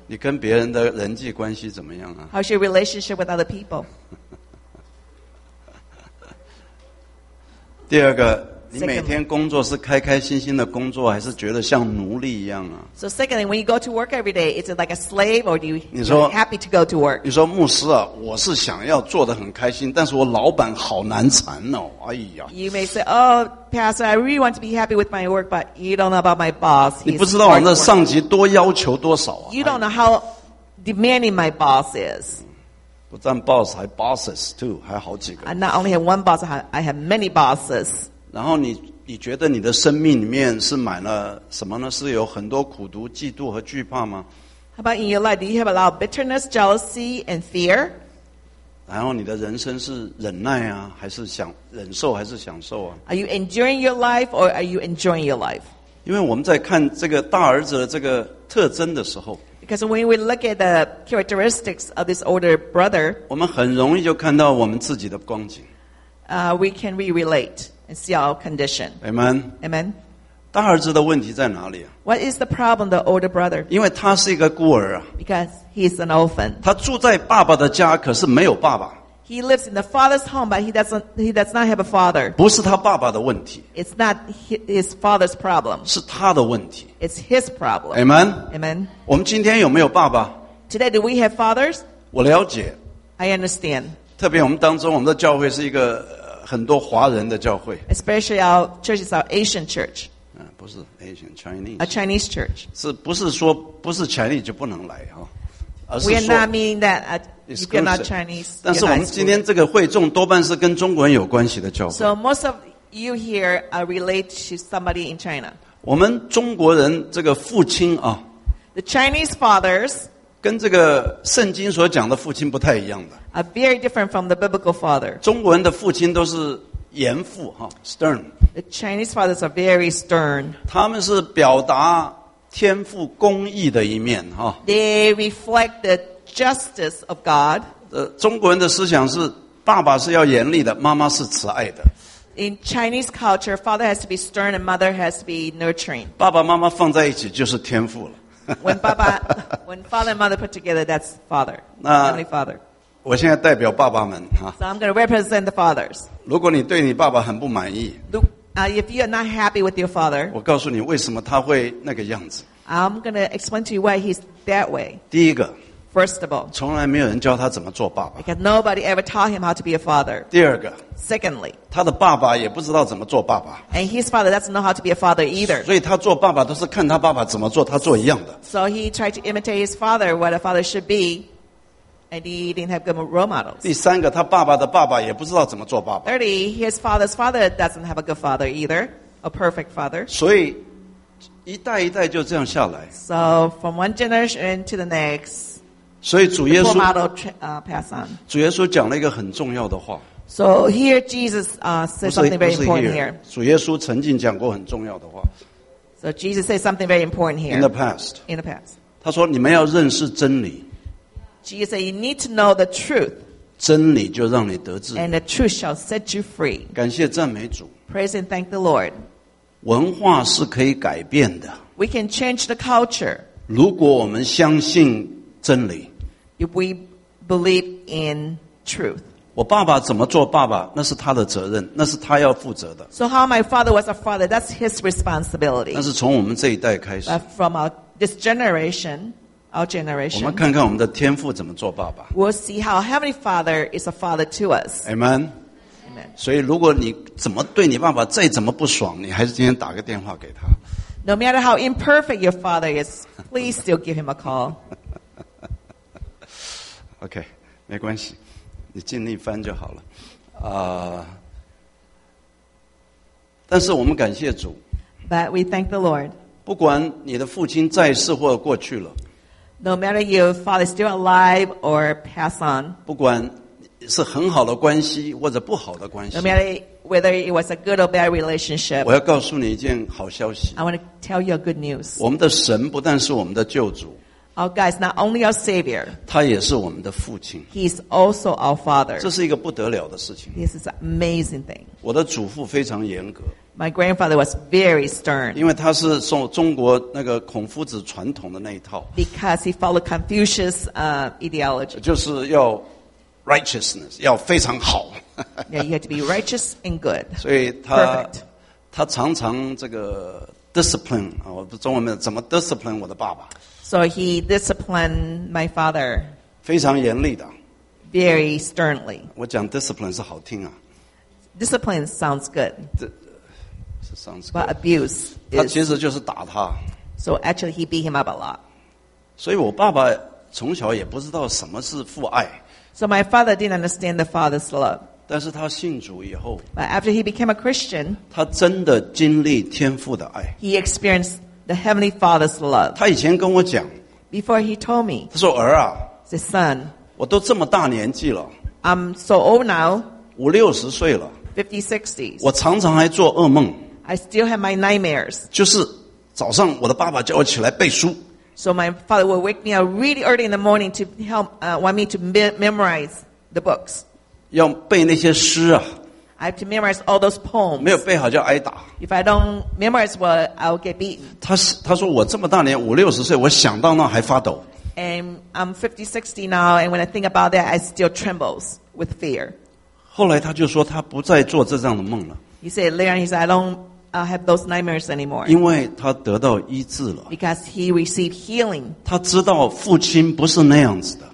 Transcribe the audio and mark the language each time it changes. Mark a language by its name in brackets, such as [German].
[Chinese] 你跟别人的人际关系怎么样啊？ [English] How's your relationship with other people? [Chinese] 第二个，你每天工作是开开心心的工作，还是觉得像奴隶一样啊？ [English] So secondly, when you go to work every day, is it like a slave or do you, [Chinese] 你说, [English] you're happy to go to work? [Chinese] 你说牧师啊，我是想要做得很开心，但是我老板好难缠哦，哎呀。 [English] You may say, oh, Pastor, I really want to be happy with my work, but you don't know about my boss. [Chinese] 你不知道我们的上级多要求多少啊。 [English] You don't know how demanding my boss is. [Chinese] 不但 boss 还 [English] bosses too [Chinese] 还好几个。 [English] I not only have one boss, I have many bosses. [Chinese] 然后你觉得你的生命里面是满了什么呢？是有很多苦毒、嫉妒和惧怕吗 [English] ？How about in your life? Do you have a lot of bitterness, jealousy, and fear? [Chinese] 然后你的人生是忍耐啊，还是想忍受，还是享受啊 [English] ？Are you enduring your life or are you enjoying your life? [Chinese] 因为我们在看这个大儿子的这个特征的时候。 [English] Because when we look at the characteristics of this older brother, [Chinese] 我们很容易就看到我们自己的光景。 [English] We can relate and see our condition. Amen. Amen. [Chinese] 大儿子的问题在哪里？ [English] What is the problem, the older brother? [Chinese] 因为他是一个孤儿啊。 [English] Because he is an orphan. [Chinese] 他住在爸爸的家，可是没有爸爸。 [English] He lives in the father's home, but he does not have a father. [Chinese] 不是他爸爸的问题。 [English] It's not his father's problem. [Chinese] 是他的问题。 [English] It's his problem. Amen. Amen. [Chinese] 我们今天有没有爸爸？ [English] Today, do we have fathers? [Chinese] 我了解。 [English] I understand. [Chinese] 特别我们当中，我们的教会是一个很多华人的教会。 [English] Especially our church is our Asian church. [Chinese] 不是 [English] Asian Chinese. A Chinese church. [Chinese] 是不是说不是 Chinese 就不能来哈？ [English] We are not meaning that you're not Chinese. [Chinese] 但是我们今天这个会众多半是跟中国人有关系的教会。 [English] So most of you here are related to somebody in China. [Chinese] 我们中国人这个父亲啊 [English] ，The Chinese fathers [Chinese] 跟这个圣经所讲的父亲不太一样的。 [English] Are very different from the biblical father. [Chinese] 中国人的父亲都是严父哈 ，stern. [English] The Chinese fathers are very stern. [Chinese] 他们是表达。天父公义的一面哈。 [English] They reflect the justice of God. [Chinese] 中国人的思想是爸爸是要严厉的，妈妈是慈爱的。 [English] In Chinese culture, father has to be stern and mother has to be nurturing. [Chinese] 爸爸妈妈放在一起就是天父了。 [English] When father and mother put together, that's father, only father. [Chinese] 我现在代表爸爸们哈。 [English] So I'm going to represent the fathers. [Chinese] 如果你对你爸爸很不满意。 [English] If you are not happy with your father, [Chinese] 我告诉你为什么他会那个样子。 [English] I'm going to explain to you why he's that way. [Chinese] 第一个， [English] First of all, [Chinese] 从来没有人教他怎么做爸爸。 [English] Because nobody ever taught him how to be a father. [Chinese] 第二个， [English] Secondly, [Chinese] 他的爸爸也不知道怎么做爸爸。 [English] And his father doesn't know how to be a father either. [Chinese] 所以他做爸爸都是看他爸爸怎么做，他做一样的。 [English] So he tried to imitate his father, what a father should be. And he didn't have good role models. [Chinese] 第三个，他爸爸的爸爸也不知道怎么做爸爸。 [English] Thirdly, his father's father doesn't have a good father either, a perfect father. [Chinese] 所以一代一代就这样下来。 [English] So from one generation to the next. [Chinese] 所以主耶稣 [English] role model pass on. [Chinese] 主耶稣讲了一个很重要的话。 [English] So here Jesus says something very important here. [Chinese] 主耶稣曾经讲过很重要的话。 [English] So Jesus says something very important here. In the past. [Chinese] 他说你们要认识真理。 [English] Jesus said, you need to know the truth. [Chinese] 真理就让你得自由。 [English] And the truth shall set you free. [Chinese] 感谢赞美主。 [English] Praise and thank the Lord. [Chinese] 文化是可以改变的。 [English] We can change the culture. [Chinese] 如果我们相信真理。 [English] If we believe in truth. [Chinese] 我爸爸怎么做爸爸，那是他的责任，那是他要负责的。 [English] So how my father was a father, that's his responsibility. [Chinese] 那是从我们这一代开始。 [English] But from this generation,Our generation. [Chinese] 我们看看我们的天父怎么做爸爸。 [English] We'll see how Heavenly Father is a father to us. Amen. Amen. [Chinese] 所以如果你怎么对你爸爸再怎么不爽，你还是今天打个电话给他。 [English] No matter how imperfect your father is, please still give him a call. [Chinese] Okay, 没关系，你尽力翻就好了。但是我们感谢主。 [English] But we thank the Lord. [Chinese] 不管你的父亲在世或过去了。 [English] No matter your father is still alive or pass on. [Chinese] 不管是很好的关系或者不好的关系。 [English] No matter whether it was a good or bad relationship. [Chinese] 我要告诉你一件好消息。 [English] I want to tell you a good news. [Chinese] 我们的神不但是我们的救主。 [English] Our God is not only our Savior. [Chinese] 他也是我们的父亲。 [English] He is also our Father. [Chinese] 这是一个不得了的事情。 [English] This is an amazing thing. [Chinese] 我的祖父非常严格。 [English] My grandfather was very stern. [Chinese] 因为他是受中国那个孔夫子传统的那一套。 [English] Because he followed Confucius ideology. [Chinese] 就是要 righteousness, 要非常好。 [English] Yeah, you have to be righteous and good. [Chinese] 所以他 [English] Perfect. [Chinese] 他常常这个 discipline, 我不中文没有怎么 discipline 我的爸爸。 [English] So he disciplined my father. [Chinese] 非常严厉的。 [English] Very sternly. [Chinese] 我讲 discipline 是好听啊。 [English] Discipline sounds good. Sounds good. But abuse is... [Chinese] 他其实就是打他。 [English] So actually he beat him up a lot. [Chinese] 所以我爸爸从小也不知道什么是父爱。 [English] So my father didn't understand the father's love. [Chinese] 但是他信主以后, [English] but after he became a Christian, [Chinese] 他真的经历天父的爱, [English] he experienced the Heavenly Father's love. [Chinese] 他以前跟我讲, [English] before he told me, [Chinese] 他说儿啊, [English] he said, son, [Chinese] 我都这么大年纪了, [English] I'm so old now, [Chinese] 五六十岁了, [English] 50, 60s, [Chinese] 我常常还做噩梦, [English] I still have my nightmares. [Chinese] 就是早上我的爸爸叫我起来背书, [English] so my father would wake me up really early in the morning to help, want me to memorize the books. [Chinese] 要背那些诗啊, [English] I have to memorize all those poems. [Chinese] 没有背好就挨打, [English] if I don't memorize well, I'll get beaten. [Chinese] 他说我这么大年, 五六十岁, 我想到那还发抖, [English] and I'm 50, 60 now, and when I think about that, I still trembles with fear. [Chinese] 后来他就说他不再做这样的梦了, [English] he said, later on, he said, I don't have those nightmares anymore. [Chinese] 因为他得到医治了, [English] because he received healing. [Chinese] 他知道父亲不是那样子的,